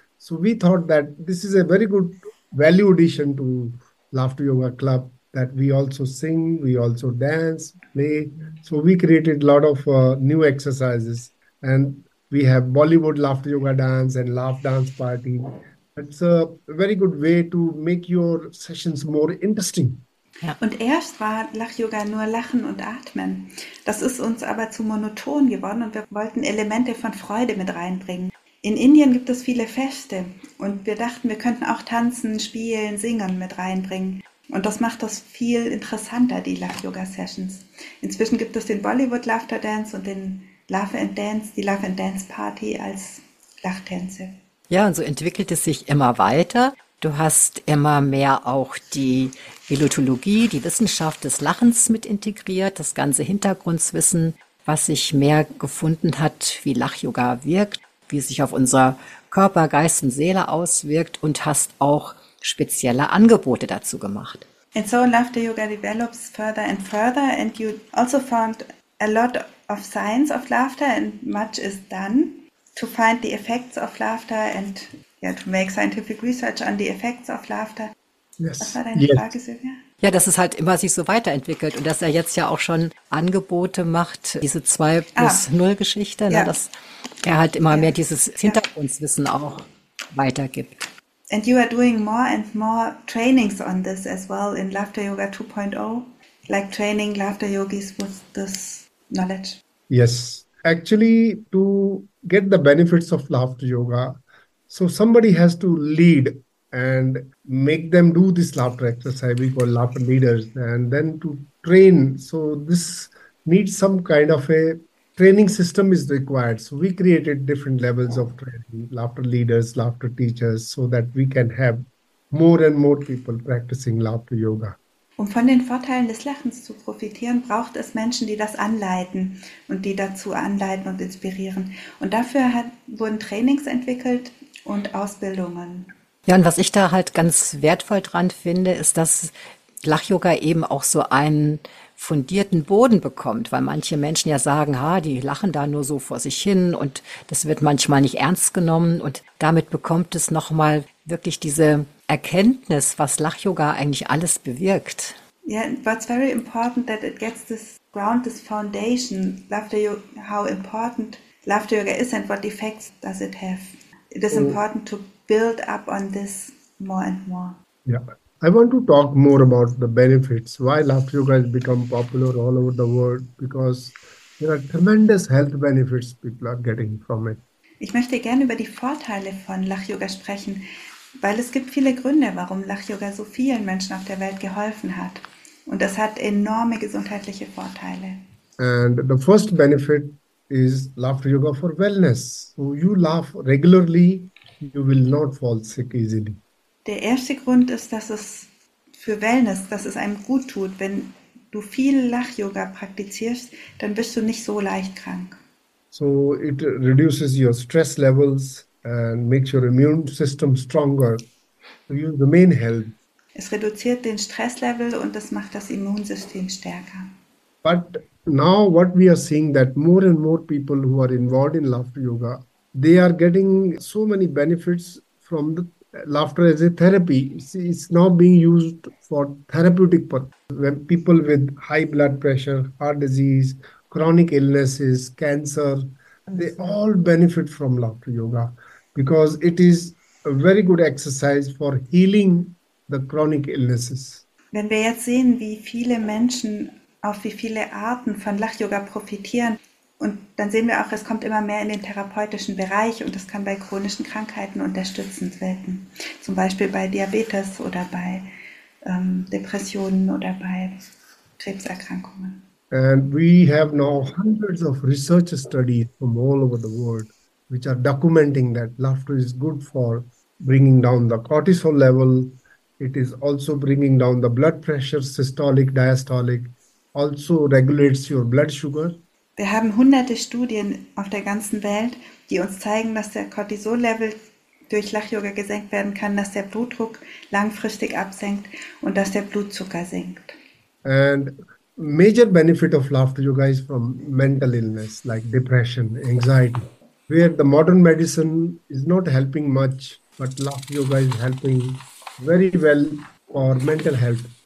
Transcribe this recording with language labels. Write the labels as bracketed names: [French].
[English] So we thought that this is a very good value addition to Laughter Yoga Club, that we also sing, we also dance, play. So we created a lot of new exercises. And we have Bollywood Laughter Yoga Dance and Laugh Dance Party. It's a very good way to make your sessions more interesting. [German] Ja. Und erst war Lach-Yoga nur Lachen und Atmen. Das ist uns aber zu monoton geworden und wir wollten Elemente von Freude mit reinbringen. In Indien gibt es viele Feste und wir dachten, wir könnten auch tanzen, spielen, singen mit reinbringen. Und das macht das viel interessanter, die Lach-Yoga-Sessions. Inzwischen gibt es den Bollywood-Laughter-Dance und den Love-and-Dance, die Love-and-Dance-Party als Lachtänze. Ja, und so entwickelt es sich immer weiter. Du hast immer mehr auch die Elotologie, die Wissenschaft des Lachens mit integriert, das ganze Hintergrundwissen, was sich mehr gefunden hat, wie Lach-Yoga wirkt, wie es sich auf unser Körper, Geist und Seele auswirkt, und hast auch spezielle Angebote dazu gemacht. [English] And so laughter yoga develops further and further, and you also found a lot of science of laughter, and much is done to find the effects of laughter and to make scientific research on the effects of laughter. Yes. [German] Was war deine Frage, Sylvia? Ja, dass es halt immer sich so weiterentwickelt und dass er jetzt ja auch schon Angebote macht, diese 2+0-Geschichte, ne, dass der halt immer mehr dieses Hintergrundwissen auch weitergibt. [English] And you are doing more and more trainings on this as well in Laughter Yoga 2.0, like training laughter yogis with this knowledge. Yes, actually, to get the benefits of laughter yoga, so somebody has to lead and make them do this laughter exercise. We call laughter leaders, and then to train. So this needs some kind of a training system is required. So we created different levels of training, laughter leaders, laughter teachers, so that we can have more and more people practicing laughter yoga. [German] Um von den Vorteilen des Lachens zu profitieren, braucht es Menschen, die das anleiten und die dazu anleiten und inspirieren. Und dafür wurden Trainings entwickelt und Ausbildungen. Ja, und was ich da halt ganz wertvoll dran finde, ist, dass Lachyoga eben auch so einen fundierten Boden bekommt, weil manche Menschen ja sagen, ha, die lachen da nur so vor sich hin und das wird manchmal nicht ernst genommen. Und damit bekommt es nochmal wirklich diese Erkenntnis, was Lachyoga eigentlich alles bewirkt. [English] Yeah, but it's very important that it gets this ground, this foundation, laughter yoga, how important laughter yoga is and what effects does it have. It is important to build up on this more and more. Yeah. I want to talk more about the benefits, why laughter yoga has become popular all over the world, because there are tremendous health benefits people are getting from it. [German] Ich möchte gerne über die Vorteile von Lachyoga sprechen, weil es gibt viele Gründe, warum Lachyoga so vielen Menschen auf der Welt geholfen hat. Und das hat enorme gesundheitliche Vorteile. [English] And the first benefit is laughter yoga for wellness. So you laugh regularly, you will not fall sick easily. [German] Der erste Grund ist, dass es für Wellness, dass es einem gut tut. Wenn du viel Lachyoga praktizierst, dann bist du nicht so leicht krank. [English] So it reduces your stress levels and makes your immune system stronger. You remain healthy. [German] Es reduziert den Stresslevel und das macht das Immunsystem stärker. [English] But now what we are seeing that more and more people who are involved in laughter yoga, they are getting so many benefits from the laughter as a therapy. It's now being used for therapeutic purposes. When people with high blood pressure, heart disease, chronic illnesses, cancer, they all benefit from laughter yoga because it is a very good exercise for healing the chronic illnesses. [German] Wenn wir jetzt sehen, wie viele Menschen auf wie viele Arten von Lachyoga profitieren, und dann sehen wir auch, es kommt immer mehr in den therapeutischen Bereich und das kann bei chronischen Krankheiten unterstützend wirken. Zum Beispiel bei Diabetes oder bei Depressionen oder bei Krebserkrankungen. [English] And we have now hundreds of research studies from all over the world, which are documenting that laughter is good for bringing down the cortisol level. It is also bringing down the blood pressure, systolic, diastolic, also regulates your blood sugar. [German] Wir haben hunderte Studien auf der ganzen Welt, die uns zeigen, dass der Cortisol-Level durch Lachyoga gesenkt werden kann, dass der Blutdruck langfristig absenkt und dass der Blutzucker sinkt. [English] And major benefit of laughter yoga is from mental illness like depression, anxiety, where the modern medicine is not helping much, but laughter yoga is helping very well for mental health.